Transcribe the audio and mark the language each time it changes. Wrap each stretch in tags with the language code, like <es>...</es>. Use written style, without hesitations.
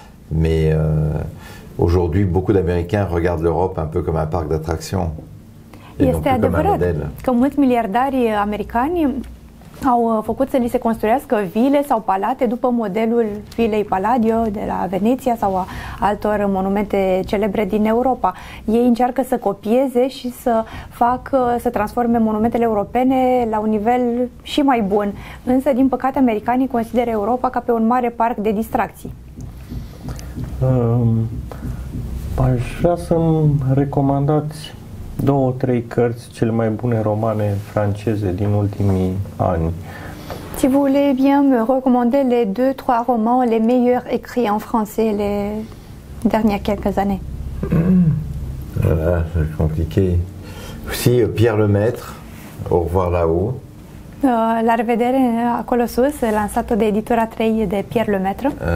<fr>Mais aujourd'hui, beaucoup d'Américains regardent l'Europe un peu comme un parc d'attractions.</fr> <ro>Este adevărat că mulți miliardari americani au făcut să li se construiască vile sau palate după modelul vilei Palladio de la Veneția sau a altor monumente celebre din Europa. Ei încearcă să copieze și să transforme monumentele europene la un nivel și mai bun. Însă, din păcate, americanii consideră Europa ca pe un mare parc de distracții. Aș vrea să-mi recomandați 2-3 cărți cele mai bune romane franceze din ultimii ani.</ro> <fr>Si vous voulez bien me recommander les 2-3 romans les meilleurs écrits en français les dernières quelques années. Voilà, c'est compliqué. Aussi Pierre Lemaître, Au revoir là-haut.</fr> <ro>La revedere acolo sus, lansato de editura 3 de Pierre Lemaître.</ro>